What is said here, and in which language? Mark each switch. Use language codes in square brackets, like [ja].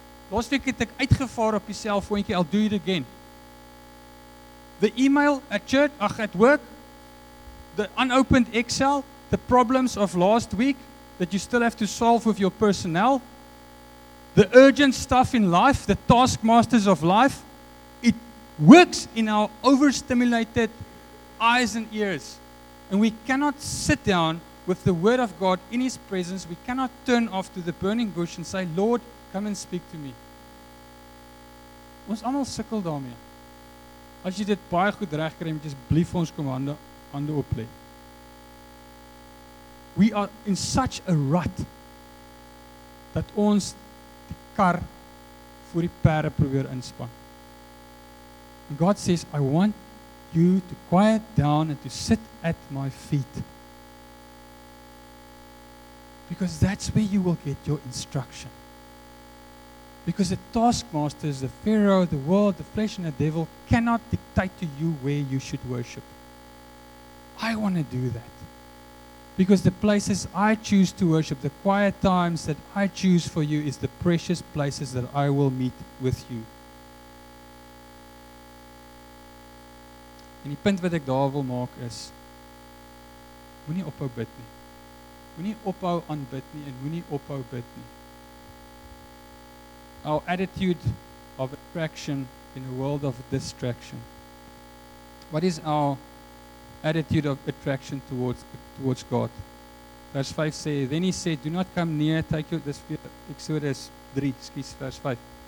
[af] Los week het ek uitgevaar op die selfoontjie, [en] I'll do it again. The email at church, at work, the unopened Excel, the problems of last week that you still have to solve with your personnel, the urgent stuff in life, the taskmasters of life, it works in our overstimulated eyes and ears. And we cannot sit down with the word of God in his presence. We cannot turn off to the burning bush and say, Lord, come and speak to me. [af] Ons almal sukkel daarmee. As jy dit baie goed regkry, moet jy asseblief vir ons kom hande op lê. [en] We are in such a rut [af] dat ons die kar voor die perde probeer inspan. [en] And God says, I want you to quiet down and to sit at my feet. Because that's where you will get your instruction. Because the taskmasters, the Pharaoh, the world, the flesh and the devil cannot dictate to you where you should worship. I want to do that. Because the places I choose to worship, the quiet times that I choose for you is the precious places that I will meet with you. [af] En die punt wat ek daar wil maak is, moenie ophou bid nie. Moenie ophou aanbid nie en moenie ophou bid nie. [en] Our attitude of attraction in a world of distraction. What is our attitude of attraction towards God? Verse 5 say, then he said, do not come near, take your, this Exodus 3, excuse verse 5.